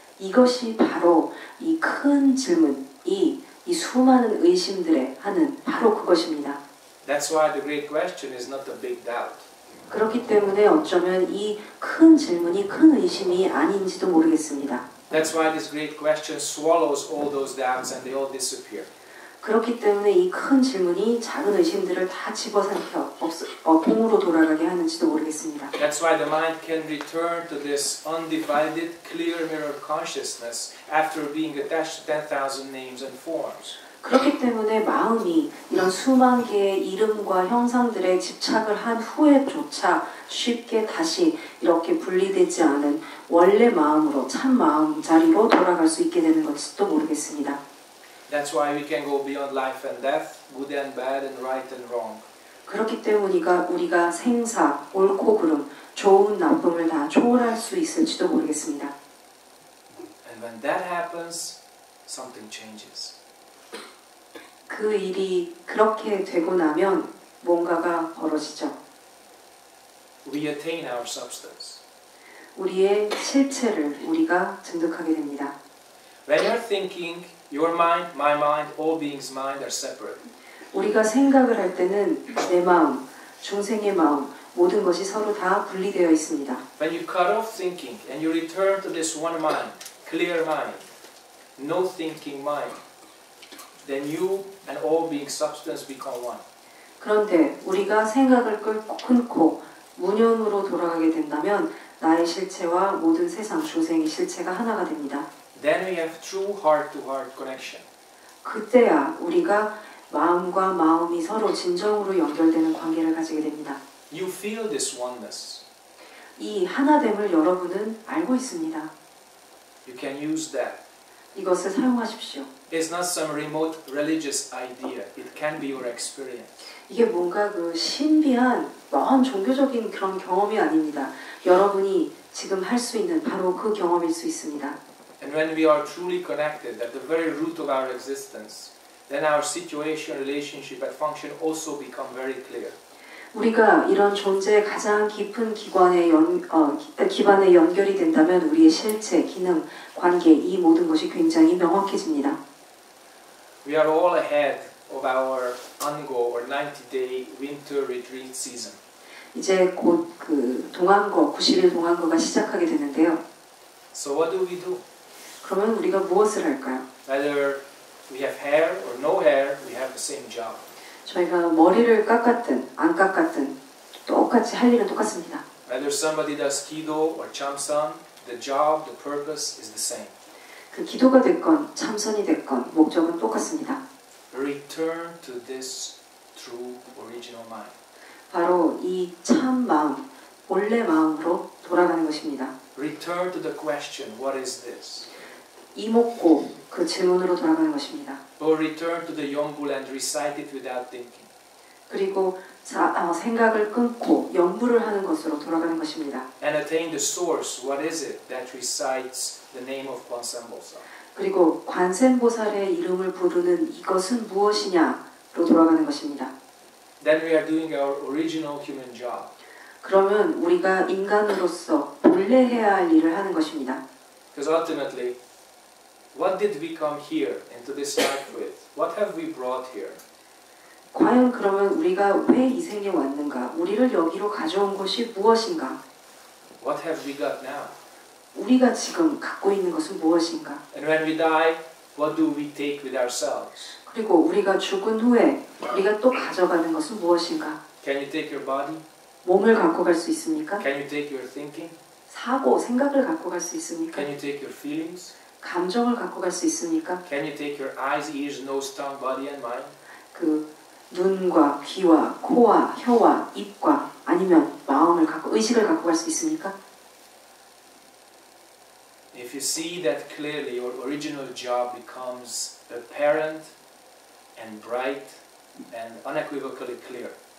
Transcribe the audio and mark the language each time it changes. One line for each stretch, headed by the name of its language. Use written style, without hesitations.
Korean: 이것이 바로 이 큰 질문이 이 수많은 의심들에 하는 바로 그것입니다.
English: That's why the great question is not a big doubt.
Korean: 그렇기 때문에 어쩌면 이 큰 질문이 큰 의심이 아닌지도 모르겠습니다.
English: That's why this great question swallows all those doubts and they all disappear.
Korean: 그렇기 때문에 이 큰 질문이 작은 의심들을 다 집어삼켜 봉으로 돌아가게 하는지도 모르겠습니다.
English: That's why the mind can return to this undivided, clear mirror consciousness after being attached to 10,000 names and forms.
Korean: 그렇기 때문에 마음이 이런 수만 개의 이름과 형상들에 집착을 한 후에조차 쉽게 다시 이렇게 분리되지 않은 원래 마음으로 참 마음 자리로 돌아갈 수 있게 되는 것지도 모르겠습니다.
English: That's why we can go beyond life and death, good and bad, and right and wrong.
Korean: 그렇기 때문에 우리가 생사, 옳고 그름, 좋은 나쁨을 다 초월할 수 있을지도 모르겠습니다.
English: And when that happens, something changes.
Korean: 그 일이 그렇게 되고 나면 뭔가가 벌어지죠.
English: We attain our substance.
Korean: 우리의 실체를 우리가 증득하게 됩니다.
English: When you're thinking, your mind, my mind, all beings' mind are separate.
Korean: 우리가 생각을 할 때는 내 마음, 중생의 마음, 모든 것이 서로 다 분리되어 있습니다.
English: When you cut off thinking and you return to this one mind, clear mind, no thinking mind, then you and all being substance become one.
Korean: 그런데 우리가 생각을 끊고 무념으로 돌아가게 된다면 나의 실체와 모든 세상 중생의 실체가 하나가 됩니다.
English: Then we have true heart-to-heart connection.
Korean: 그때야 우리가 마음과 마음이 서로 진정으로 연결되는 관계를 가지게 됩니다.
English: You feel this oneness.
Korean: 이 하나됨을 여러분은 알고 있습니다.
English: You can use that.
Korean: 이것을 사용하십시오.
English: It's not some remote religious idea. It can be your experience.
Korean: 이게 뭔가 그 신비한 먼 종교적인 그런 경험이 아닙니다. 여러분이 지금 할 수 있는 바로 그 경험일 수 있습니다.
English: And when we are truly connected at the very root of our existence, then our situation, relationship, and function also become very clear.
Korean: 우리가 이런 존재의 가장 깊은 기관에 기반에 연결이 된다면 우리의 실체, 기능, 관계 이 모든 것이 굉장히 명확해집니다.
English: We are all ahead of our ongoing or 90-day winter retreat season.
Korean: 이제 곧 그 동안거, 90일 동안거가 시작하게 되는데요.
English: So what do we do?
Korean: 그러면 우리가 무엇을 할까요?
English: Either we have hair or no hair, we have the same job.
Korean: 저희가 머리를 깎았든 안 깎았든 똑같이 할 일은 똑같습니다.
English: Whether somebody does kido or chamsan, the job, the purpose is the same.
Korean: 그 기도가 됐건 참선이 됐건 목적은 똑같습니다.
English: Return to this true original mind.
Korean: 바로 이 참 마음, 본래 마음으로 돌아가는 것입니다.
English: Return to the question, what is this?
Korean: 이목고 그 질문으로 돌아가는 것입니다.
English: Or return to the yonbul and recite it without thinking.
Korean: 그리고 생각을 끊고 연불을 하는 것으로 돌아가는 것입니다.
English: And attain the source, what is it that recites the name of Kwangsaem Bosal?
Korean: 그리고 관세음보살의 이름을 부르는 이것은 무엇이냐로 돌아가는 것입니다.
English: Then we are doing our original human job.
Korean: 그러면 우리가 인간으로서 본래 해야 할 일을 하는 것입니다.
English: Because ultimately, what did we come here into this life with? What have we brought here?
Korean: 과연 그러면 우리가 왜 이 생에 왔는가? 우리를 여기로 가져온 것이 무엇인가?
English: What have we got now?
Korean: 우리가 지금 갖고 있는 것은 무엇인가?
English: And when we die, what do we take with ourselves?
Korean: 그리고 우리가 죽은 후에 우리가 또 가져가는 것은 무엇인가?
English: Can you take your body?
Korean: 몸을 갖고 갈 수 있습니까?
English: Can you take your thinking?
Korean: 사고, 생각을 갖고 갈 수 있습니까?
English: Can you take your feelings?
Korean: 감정을 갖고 갈 수 있습니까?
English: Can you take your eyes, ears, nose, tongue, body and mind?
Korean: 그 눈과 귀와 코와 혀와 입과 아니면 마음을 갖고 의식을 갖고 갈 수 있습니까?
English: If you see that clearly, your original job becomes apparent and bright and unequivocally clear.